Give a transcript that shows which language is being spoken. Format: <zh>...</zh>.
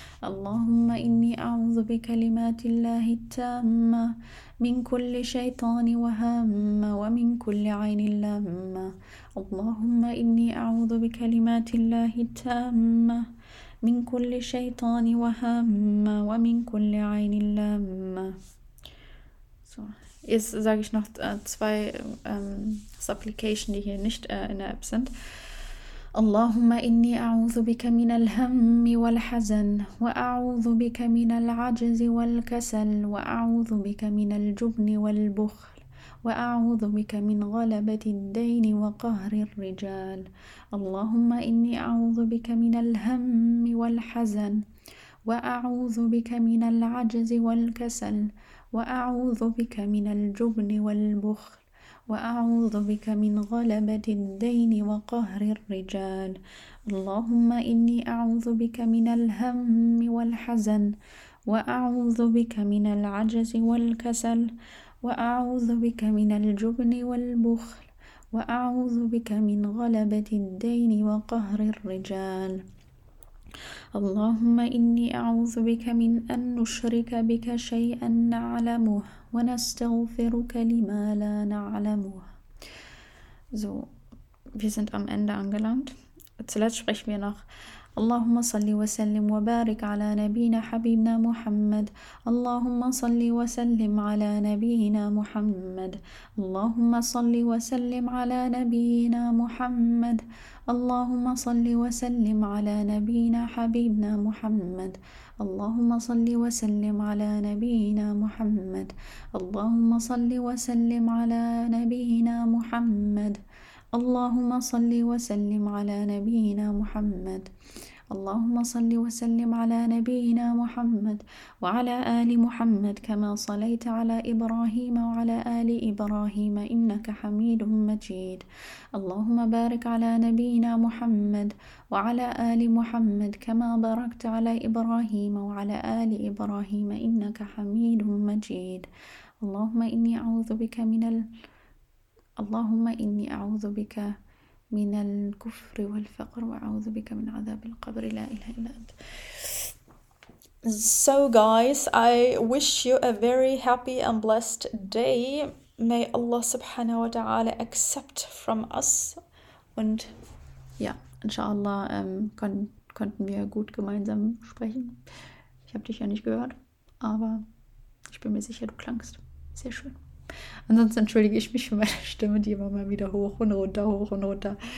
<ar>اللهم إني أعوذ بكلمات الله التامة من كل شيطان وهم ومن كل عين لامة. اللهم إني أعوذ بكلمات الله التامة من كل شيطان وهم ومن كل عين لام.</ar> <de>So, jetzt sage ich noch zwei Supplication, die hier nicht in der App sind.</de> <ar>اللهم إني أعوذ بك من الهم والحزن وأعوذ بك من العجز والكسل وأعوذ بك من الجبن والبخل وأعوذ بك من غلبة الدين وقهر الرجال. اللهم إني أعوذ بك من الهم والحزن وأعوذ بك من العجز والكسل وأعوذ بك من الجبن والبخل وأعوذ بك من غلبة الدين وقهر الرجال. اللهم إني أعوذ بك من الهم والحزن وأعوذ بك من العجز والكسل وأعوذ بك من الجبن والبخل وأعوذ بك من غلبة الدين وقهر الرجال. اللهم إني أعوذ بك من أن نشرك بك شيئا نعلمه ونستغفرك لما لا نعلمه.</ar> <de>So, wir sind am Ende angelangt. Zuletzt sprechen wir noch.</de> <ar>اللهم صل وسلم وبارك على نبينا حبيبنا محمد. اللهم صل وسلم على نبينا محمد. اللهم صل وسلم على نبينا محمد. اللهم صل وسلم على نبينا حبيبنا محمد. اللهم صل وسلم على نبينا محمد. اللهم صل وسلم على نبينا محمد. اللهم صل وسلم على نبينا محمد. اللهم صل وسلم على نبينا محمد وعلى آل محمد كما صليت على إبراهيم وعلى آل إبراهيم إنك حميد مجيد. اللهم بارك على نبينا محمد وعلى آل محمد كما باركت على إبراهيم وعلى آل إبراهيم إنك حميد مجيد. اللهم إني أعوذ بك من اللهم إني أعوذ بك من الكفر والفقر وأعوذ بك من عذاب القبر لا إله إلا أنت.</ar> <en>So guys, I wish you a very happy and blessed day. May Allah subhanahu wa ta'ala accept from us.</en> <de>Und ja, inshallah konnten wir gut gemeinsam sprechen. Ich habe dich ja nicht gehört, aber ich bin mir sicher, du klangst sehr schön. Ansonsten entschuldige ich mich für meine Stimme, die immer mal wieder hoch und runter.</de>